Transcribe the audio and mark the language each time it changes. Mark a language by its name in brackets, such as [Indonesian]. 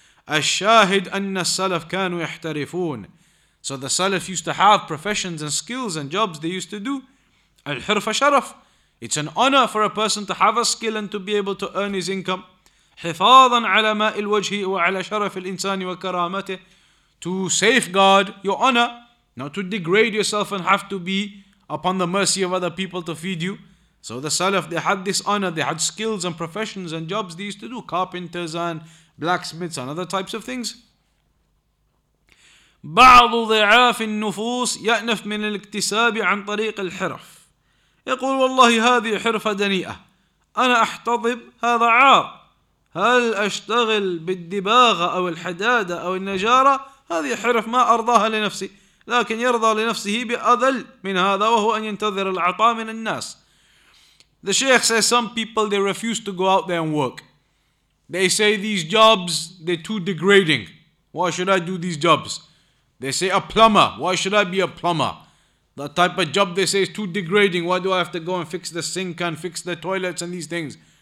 [Arabic] الشاهد أن السلف كانوا يحترفون. [English] So the Salaf used to have professions and skills and jobs they used to do. [Arabic] الحرف شرف. [English] It's an honor for a person to have a skill and to be able to earn his income. [Arabic] حفاظا على ماء الوجه وعلى شرف الإنسان وكرامته. [English] To safeguard your honor, not to degrade yourself and have to be upon the mercy of other people to feed you. So the Salaf, they had this honor, they had skills and professions and jobs they used to do. Carpenters and blacksmiths and other types of things. [Arabic] بعض ضعاف النفوس يأنف من الاكتساب عن طريق الحرف. يقول والله هذه حرفة دنيئة. أنا أحتضب هذا عار. هل أشتغل بالدباغة أو الحدادة أو النجارة؟ هذه حرف ما أرضاها لنفسي. لكن يرضى لنفسه بأذل من هذا وهو أن ينتظر العطاء من الناس. [English] The Shaykh says some people, they refuse to go out there and work. They say these jobs, they're too degrading. Why should I do these jobs? They say a plumber. Why should I be a plumber? The type of job they say is too degrading. Why do I have to go and fix the sink and fix the toilets and these things?